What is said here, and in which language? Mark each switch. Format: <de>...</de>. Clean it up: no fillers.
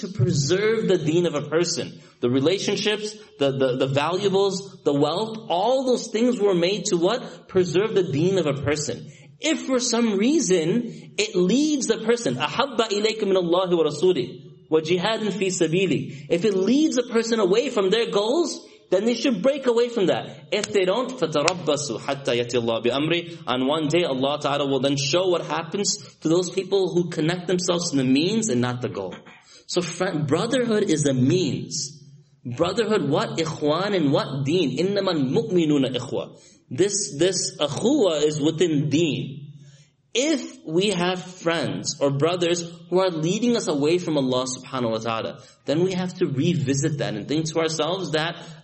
<en>To preserve the deen of a person. The relationships, the valuables, the wealth, all those things were made to what? Preserve the deen of a person. If for some reason, it leads the person,</en> <ar>أَحَبَّ إِلَيْكُمْ مِنَ اللَّهِ وَرَسُولِهِ وَجِهَادٍ فِي سَبِيلِهِ.</ar> <en>If it leads a person away from their goals, then they should break away from that. If they don't,</en> <ar>فَتَرَبَّصُوا حَتَّى يَتِي اللَّهُ بِأَمْرِ.</ar> <en>And one day Allah Ta'ala will then show what happens to those people who connect themselves to the means and not the goal. So friend, brotherhood is a means. Brotherhood, what? Ikhwan and what? Deen.</en> <ar>إِنَّمَا الْمُؤْمِنُونَ إِخْوَى.</ar> <en>This akhuwa is within deen. If we have friends or brothers who are leading us away from Allah subhanahu wa ta'ala, then we have to revisit that and think to ourselves that</en>